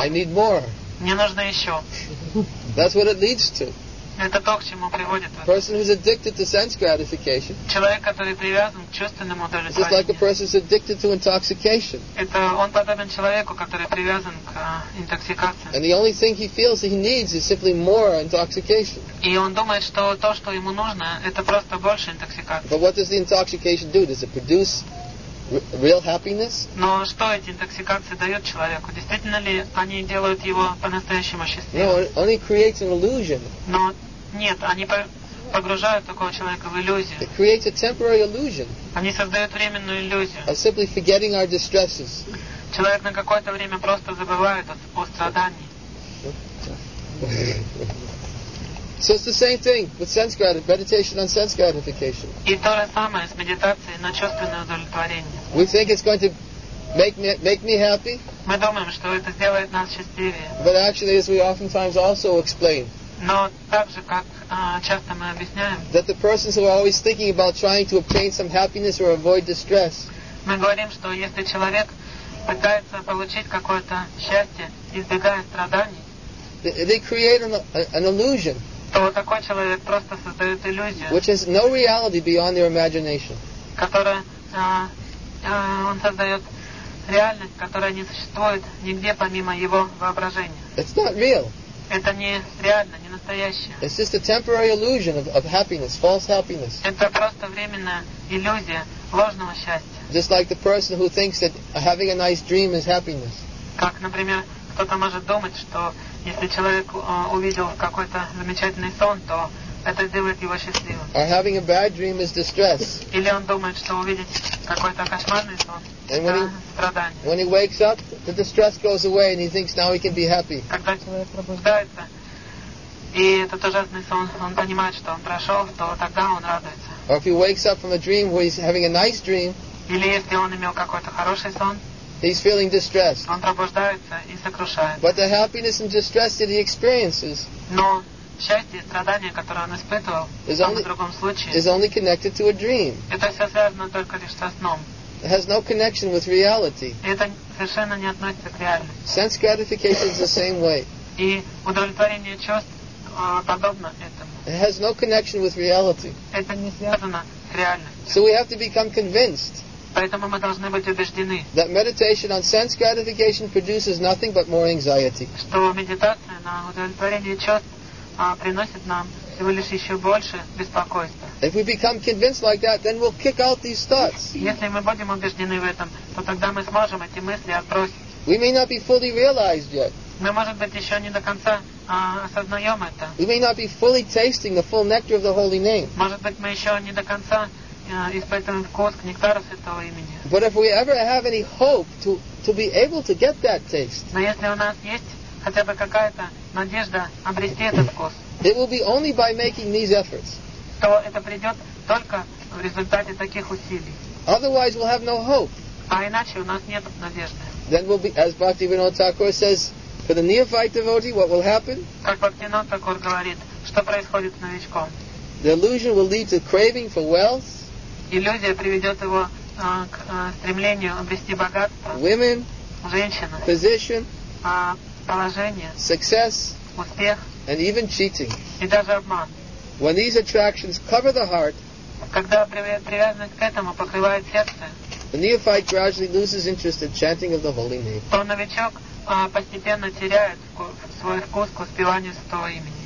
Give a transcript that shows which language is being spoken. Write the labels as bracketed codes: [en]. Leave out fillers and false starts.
[en] I need more. [ru] Мне нужно еще. [en] That's what it leads to. [ru] Это то, к чему приводит. [en] Person who's addicted to sense gratification. [ru] Человек, который привязан к чувственному удовлетворению. [en] Just like a person who's addicted to intoxication. [ru] Это он подобен человеку, который привязан к интоксикации. [en] And the only thing he feels that he needs is simply more intoxication. [ru] И он думает, что то, что ему нужно, это просто больше интоксикации. [en] But what does the intoxication do? Does it produce real happiness? [ru] Но что эти интоксикации дают человеку? Действительно ли они делают его по-настоящему счастливым? [en] No, it only creates an illusion. [ru] Но нет, они погружают такого человека в иллюзию. [en] It creates a temporary illusion. [ru] Они создают временную иллюзию. [en] Of simply forgetting our distresses. [ru] Человек на какое-то время просто забывает о страдании. [en] So it's the same thing with sense gratification, meditation on sense gratification. [ru] И то же самое с медитацией на чувственное удовлетворение. [en] We think it's going to make me happy. [ru] Мы думаем, что это сделает нас счастливее. [en] But actually, as we oftentimes also explain. [ru] Но так же, как часто мы объясняем. [en] That the persons who are always thinking about trying to obtain some happiness or avoid distress. [ru] Мы говорим, что если человек пытается получить какое-то счастье, избегая страданий. [en] They create an illusion. [ru] То такой человек просто создает иллюзию, [en] which has no reality beyond their imagination. [ru] Которая он создает реальность, которая не существует нигде помимо его воображения. [en] It's not real. [ru] Это не реально, не настоящее. [en] It's just a temporary illusion of happiness, false happiness. [ru] Это просто временная иллюзия ложного счастья. [en] Just like the person who thinks that having a nice dream is happiness. [ru] Как, например, кто-то может думать, что если человек увидел какой-то замечательный сон, то это сделает его счастливым. [en] Or having a bad dream is distress. [ru] Или он думает, что увидеть какой-то кошмарный сон [en] and [ru] это страдание. [en] When he wakes up, the distress goes away and he thinks now he can be happy. [ru] Когда человек пробуждается, и этот ужасный сон, он понимает, что он прошел, то тогда он радуется. [en] Or if he wakes up from a dream where he's having a nice dream. [ru] Или если он имел какой-то хороший сон. [en] He's feeling distressed. [ru] Он пробуждается и сокрушается. [en] But the happiness and distress that he experiences. [ru] Но счастье и страдание, которое он испытывал, [en] is only, [ru] в другом случае, [en] is only connected to a dream. [ru] Это все связано только лишь со сном. [en] It has no connection with reality. [ru] И это совершенно не относится к реальности. [en] Sense gratification is the same way. [ru] И удовлетворение чувств подобно этому. [en] It has no connection with reality. [ru] Это не связано с реальностью. [en] So we have to become convinced. [ru] Поэтому мы должны быть убеждены, [en] that meditation on sense gratification produces nothing but more anxiety. [ru] Что медитация на удовлетворение чувств приносит нам всего лишь еще больше беспокойства. [en] If we become convinced like that, then we'll kick out these thoughts. [ru] Если мы будем убеждены в этом, то тогда мы сможем эти мысли отбросить. [en] We may not be fully realized yet. [ru] Мы, может быть, еще не до конца осознаем это. [en] We may not be fully tasting the full nectar of the holy name. [ru] Может быть, мы еще не до конца испытывает вкус к нектару святого имени. [en] But if we ever have any hope to be able to get that taste. [ru] Но если у нас есть хотя бы какая-то надежда обрести этот вкус. [en] It will be only by making these efforts. [ru] То это придет только в результате таких усилий. [en] Otherwise we'll have no hope. [ru] А иначе у нас нет надежды. [en] Then we'll be, as Bhaktivinoda Thakur says, for the neophyte devotee, what will happen? [ru] Как Бхактивинода Такур говорит, что происходит с новичком? [en] The illusion will lead to craving for wealth. [ru] Иллюзия приведет его к стремлению обрести богатство. [en] Women, [ru] женщина, [en] position, [ru] положение, [en] success, [ru] успех, [en] and even cheating. [ru] И даже обман. [en] When these attractions cover the heart, [ru] когда привязанность к этому покрывает сердце, [en] the neophyte gradually loses interest in chanting of the holy name. [ru] То новичок постепенно теряет свой вкус к воспеванию святого имени.